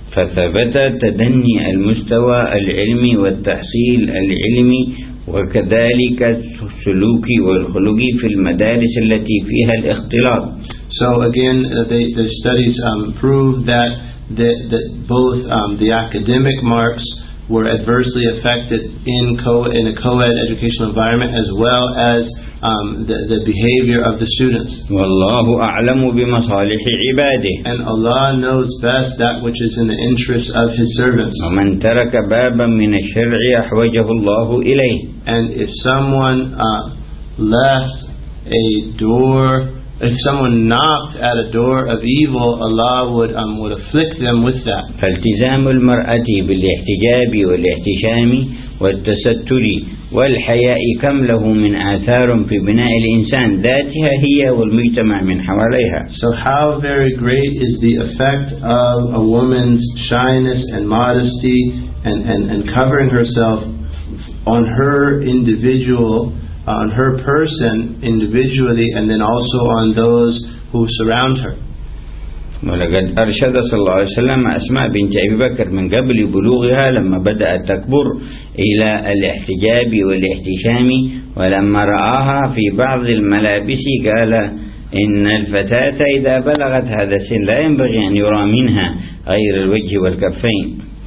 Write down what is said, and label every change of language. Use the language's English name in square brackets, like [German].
[Arabic] فثبت تدني المستوى العلمي والتحصيل العلمي وكذلك السلوك والخلق في المدارس التي فيها الاختلاط. [English] So again, the studies prove that both the academic marks were adversely affected in a co-ed educational environment as well as the behavior of the students. [Arabic] وَاللَّهُ أَعْلَمُ بِمَصَالِحِ عِبَادِهِ. [English] And Allah knows best that which is in the interest of His servants. [Arabic] وَمَنْ تَرَكَ بَابًا مِنَ الشَّرْعِ أَحْوَجَهُ اللَّهُ إِلَيْهِ. [English] And if someone left a door if someone knocked at a door of evil, Allah would afflict them with that. [Arabic] فالتزام المرأة بالاحتجاب والاحتشام والتستر والحياء كم له من آثار في بناء الإنسان ذاتها هي والمجتمع من حواليها. [English] So how very great is the effect of a woman's shyness and modesty and covering herself on her individual, on her person individually, and then also on those who surround her. [Arabic] ولقد أرشد صلى الله عليه وسلم أسماء بنت أبي بكر من قبل بلوغها لما بدأت تكبر إلى الاحتجاب والاحتشام ولما رآها في بعض الملابس قال إن الفتاة إذا بلغت هذا السن لا ينبغي أن يرى منها غير الوجه والكفين.